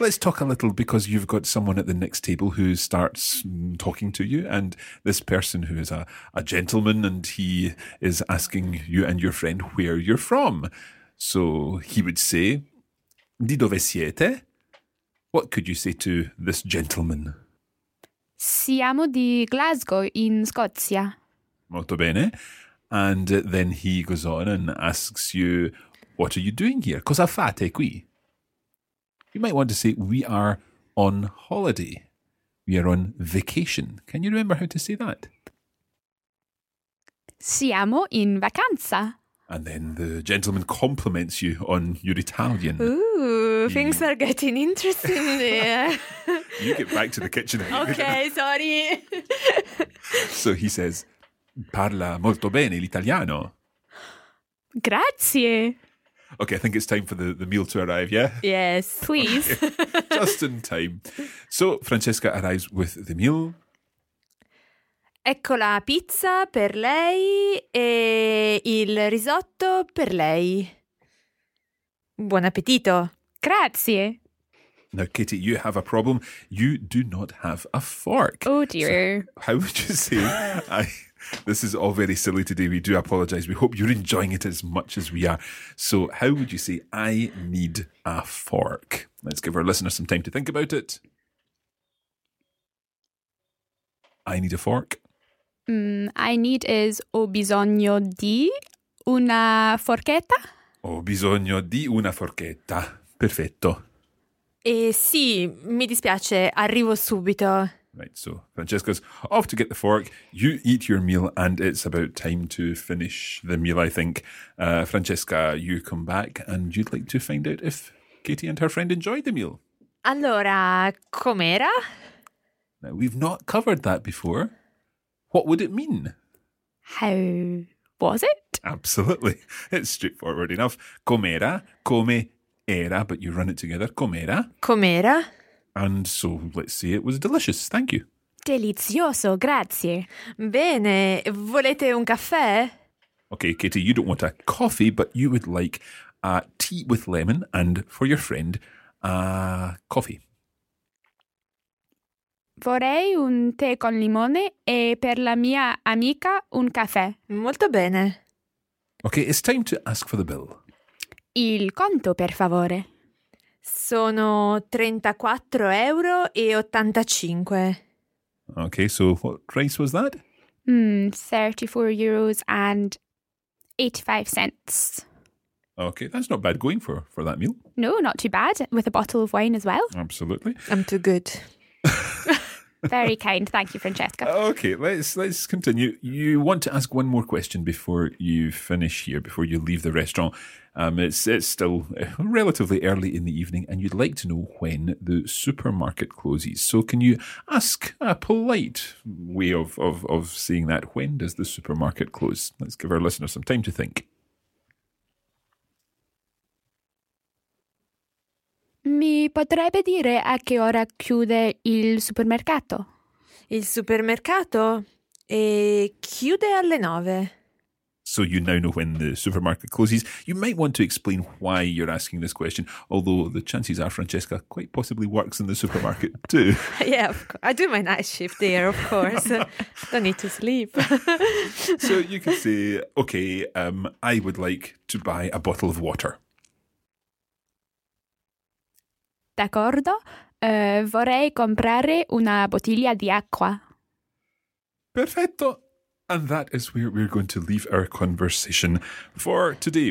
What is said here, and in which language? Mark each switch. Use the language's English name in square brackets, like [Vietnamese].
[English] Let's talk a little because you've got someone at the next table who starts talking to you. And this person who is a gentleman and he is asking you and your friend where you're from. So he would say, [Italian] di dove siete? [English] What could you say to this gentleman? [Italian] Siamo di Glasgow in Scozia. Molto bene. [English] And then he goes on and asks you, what are you doing here? [Italian] Cosa fate qui? [English] You might want to say, we are on holiday. We are on vacation. Can you remember how to say that? [Italian] Siamo in vacanza. [English] And then the gentleman compliments you on your Italian. Ooh, things are getting interesting there. You get back to the kitchen. Okay, sorry. So he says, [Italian] parla molto bene l'italiano. Grazie. [English] Okay, I think it's time for the meal to arrive, yeah? Yes, please. Okay. Just in time. So, Francesca arrives with the meal. [Italian] Ecco la pizza per lei e il risotto per lei. Buon appetito. Grazie. [English] Now, Kitty, you have a problem. You do not have a fork. Oh, dear. So how would you say this is all very silly today. We do apologise. We hope you're enjoying it as much as we are. So how would you say, I need a fork? Let's give our listeners some time to think about it. I need a fork. I need is, [Italian] ho bisogno di una forchetta. Ho bisogno di una forchetta. Perfetto. Sì, mi dispiace, arrivo subito. [English] Right, so Francesca's off to get the fork. You eat your meal and it's about time to finish the meal, I think. Francesca, you come back and you'd like to find out if Katie and her friend enjoyed the meal. [Italian] Allora, com'era? [English] Now, we've not covered that before. What would it mean? How was it? Absolutely. It's straightforward enough. [Italian] Com'era, come era, [English] but you run it together. [Italian] Com'era. Com'era. [English] And so let's say it was delicious. Thank you. [Italian] Delizioso, grazie. Bene, volete un caffè? [English] Okay, Katie, you don't want a coffee, but you would like a tea with lemon and, for your friend, a coffee. [Italian] Vorrei un tè con limone e per la mia amica un caffè. Molto bene. [English] Okay, it's time to ask for the bill. [Italian] Il conto, per favore. Sono 34 euro e 85. [English] Okay, so what price was that? 34 euros and 85 cents. Okay, that's not bad going for that meal. No, not too bad, with a bottle of wine as well. Absolutely. I'm too good. Very kind. Thank you, Francesca. Okay, let's continue. You want to ask one more question before you finish here, before you leave the restaurant. It's still relatively early in the evening and you'd like to know when the supermarket closes. So can you ask a polite way of saying that? When does the supermarket close? Let's give our listeners some time to think. [Italian] Mi potrebbe dire a che ora chiude il supermercato? Il supermercato? E chiude alle 9. [English] So you now know when the supermarket closes. You might want to explain why you're asking this question, although the chances are Francesca quite possibly works in the supermarket too. Yeah, of course. I do my night shift there, of course. Don't need to sleep. So you can say, okay, I would like to buy a bottle of water. [Italian] D'accordo, vorrei comprare una bottiglia di acqua. Perfetto! [English] And that is where we're going to leave our conversation for today.